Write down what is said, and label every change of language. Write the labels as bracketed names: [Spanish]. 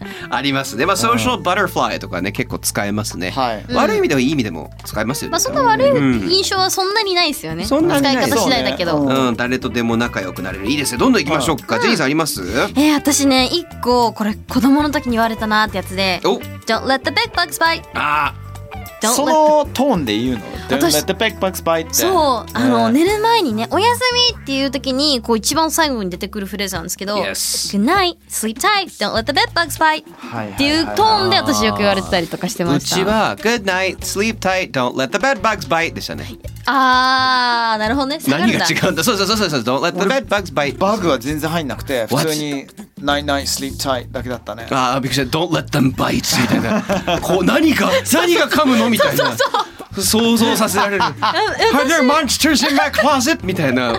[Japanese] ありますね。まあソーシャルバタフライとかね、結構使えますね、はい、悪い意味でもいい意味でも使えますよね、うん、まあ、そんな悪い印象はそんなにないですよね、そんなにない使い方次第だけど、う、ね、うん、誰とでも仲良くなれる、いいですよ、どんどん行きましょうか、うん、ジェニーさんあります、私ね一個これ子供の時に言われたなってやつで、お、 [English] Don't let the big bugs bite、あ、 [Japanese] そのトーンで言うの、 [English] Don't let the big bugs bite [Japanese] って、そう、あの、ね、寝る前にね、おやすみっていう時にこう一番最後に出てくるフレーズなんですけど、 [English] Yes. Good night, sleep tight, don't let the big bugs bite、 [Japanese] はい、っていうトーンで私よく言われてたりとかしてました。うちは [English] Good night, sleep tight, don't let the big bugs bite [Japanese] でしたね。あー、なるほどね、下がるんだ。何が違うんだ。そうそうそうそう、 [English] Don't let the big bugs bite、 [Japanese] バグは全然入んなくて普通に、 [English] What? Night night sleep tight [Japanese] だけだったね。ああ、びっくりした。 [English] Don't let them bite [Japanese] みたいな。こう何か何が噛むのみたいな。そうそうそう。想像させられる。 [English] Are there monsters in my closet [Japanese] みたいな。